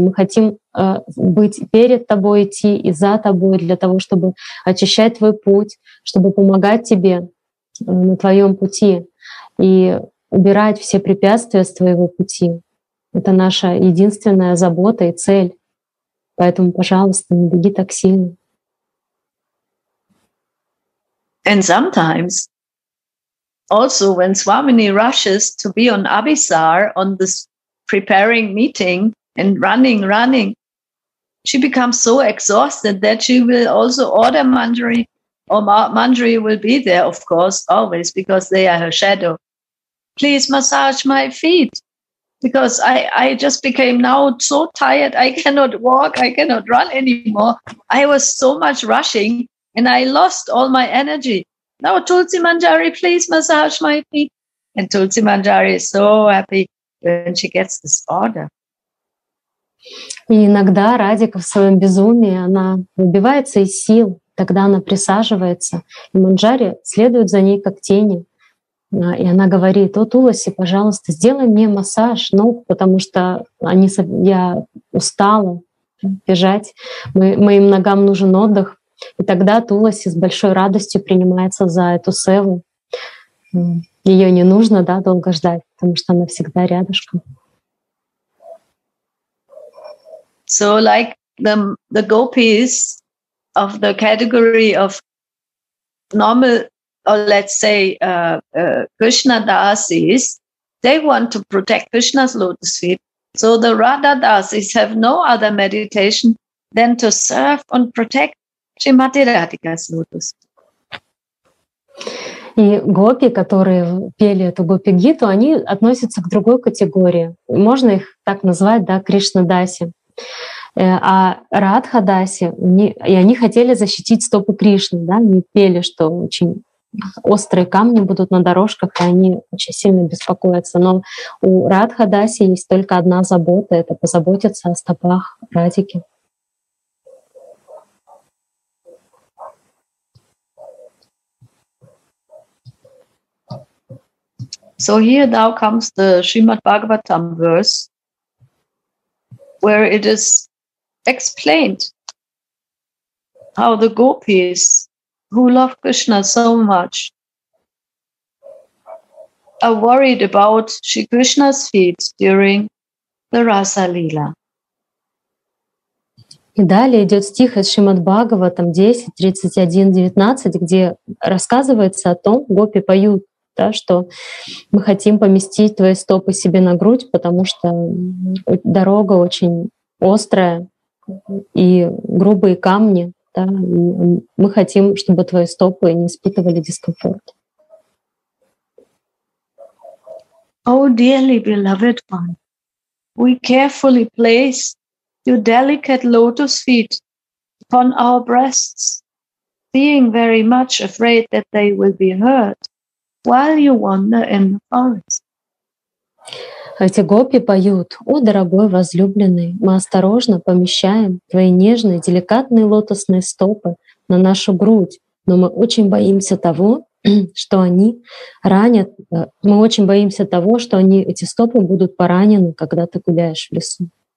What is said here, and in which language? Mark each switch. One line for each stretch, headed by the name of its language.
Russian: Мы хотим быть перед тобой, идти и за тобой для того, чтобы очищать твой путь, чтобы помогать тебе на твоем пути. И убирать все препятствия с твоего пути. Это наша единственная забота и цель. Поэтому, пожалуйста, не беги так сильно.
English: And sometimes, also when Swamini rushes to be on Abhisar, on this preparing meeting and running, she becomes so exhausted that she will also order Manjari, or Manjari will be there, of course, always, because they are her shadow. Please massage my feet, because I just became now so tired. I cannot walk. I cannot run anymore. I was so much rushing, and I lost all my energy. Now, Tulsi Manjari, please massage my feet. And Tulsi Manjari is so happy when she gets this order.
Russian: И иногда Радика в своем безумии, она выбивается из сил. Тогда она присаживается, и Манджари следует за ней как тени. И она говорит: «О, Туласи, пожалуйста, сделай мне массаж ног, потому что я устала бежать, моим ногам нужен отдых». И тогда Туласи с большой радостью принимается за эту севу. Ее не нужно, да, долго ждать, потому что она всегда рядышком.
English: So like the gopis of the category of normal, or let's say Krishna Dasis, they want to protect Krishna's lotus feet. So the Radha-dasis have no other meditation than to serve and protect Shrimati Radhika's lotus.
Russian: И гопи, которые пели эту гопи-гиту, они относятся к другой категории. Можно их так назвать, да, Кришна-даси. А Радха-даси, и они хотели защитить стопы Кришны, да, они пели, что очень острые камни будут на дорожках, и они очень сильно беспокоятся. Но у Радха-даси есть только одна забота — это позаботиться о стопах Радики.
English: So here now comes the Srimad Bhagavatam verse where it is explained how the gopis who love Krishna so much are worried about Shri Krishna's feet during the Rasa Lila.
Russian: И далее идет стих из Шримад Бхагаватам 10.31.19, где рассказывается о том, гопи поют, да, что мы хотим поместить твои стопы себе на грудь, потому что дорога очень острая и грубые камни. Да, и мы хотим, чтобы твои стопы не испытывали дискомфорт.
English: Oh, dearly beloved one, we carefully place your delicate lotus feet upon our breasts, being very much afraid that they will be hurt while you wander in the forest.
Russian: Эти гопи поют: «О, дорогой возлюбленный, мы осторожно помещаем твои нежные, деликатные лотосные стопы на нашу грудь, но мы очень боимся того, что они ранят, мы очень боимся того, что они, эти стопы будут поранены, когда ты гуляешь в лесу».